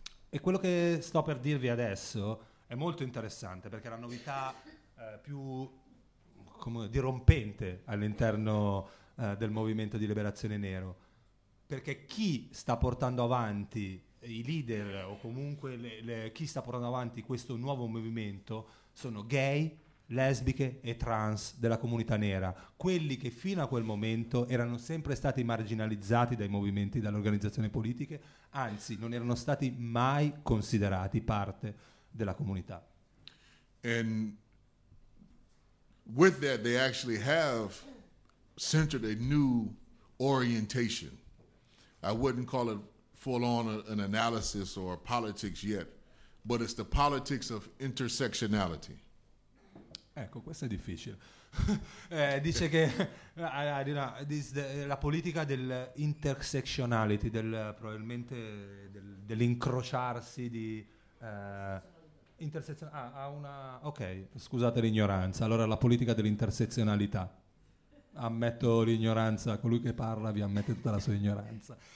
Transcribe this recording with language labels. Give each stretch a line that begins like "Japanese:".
Italian: E quello che sto per dirvi adesso è molto interessante perché la novità più dirompente all'interno del movimento di liberazione nero, perché chi sta portando avanti i leader o comunque chi sta portando avanti questo nuovo movimento sono gay, lesbiche e trans della comunità nera, quelli che fino a quel momento erano sempre stati marginalizzati dai movimenti, dalle organizzazioni politiche, anzi non erano stati mai considerati parte della comunità.
English: And with that they actually have centered a new orientation. I wouldn't call it full on an analysis or politics yet, but it's the politics of intersectionality.
Italian: Ecco, questo è difficile. dice che la politica dell'intersectionality, dell'incrociarsi di scusate l'ignoranza. Allora la politica dell'intersezionalità. Ammetto l'ignoranza, colui che parla vi ammette tutta la sua ignoranza.